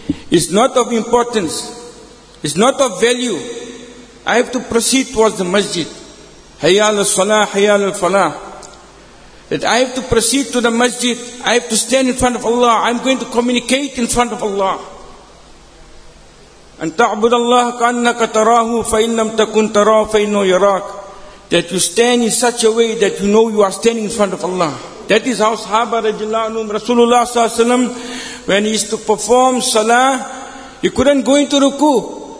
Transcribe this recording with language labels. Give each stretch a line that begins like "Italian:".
English: It's not of importance. It's not of value. I have to proceed towards the masjid. Hayya al-salah, hayya al-falah. That I have to proceed to the masjid. I have to stand in front of Allah. I'm going to communicate in front of Allah.
Arabic: أن تعبد الله كأنك تراه فإن لم تكن تراه فإنه يراك.
English: That you stand in such a way that you know you are standing in front of Allah. That is how Sahaba radiallahu anhum, Rasulullah sallallahu alaihi wasallam, when he used to perform salah, he couldn't go into ruku.